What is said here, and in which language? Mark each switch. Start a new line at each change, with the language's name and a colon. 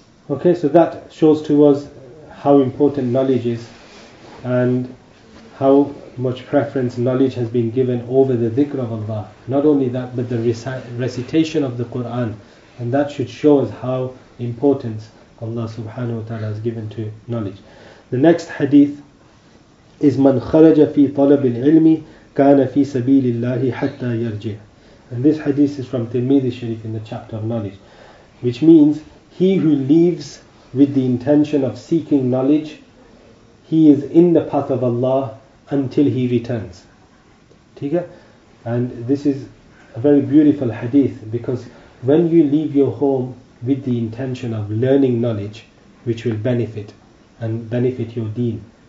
English: Okay, so that shows to us how important knowledge is and how much preference knowledge has been given over the dhikr of Allah. Not only that, but the recitation of the Quran. And that should show us how importance Allah subhanahu wa ta'ala has given to knowledge.
Arabic: The next hadith is Man kharaja fi talab al-ilmi. كان في سبيل الله حتى يرجع.
English: And this hadith is from Tirmidhi Sharif in the chapter of knowledge, which means he who leaves with the intention of seeking knowledge, he is in the path of Allah until he returns. And this is a very beautiful hadith, because when you leave your home with the intention of learning knowledge which will benefit and benefit your deen.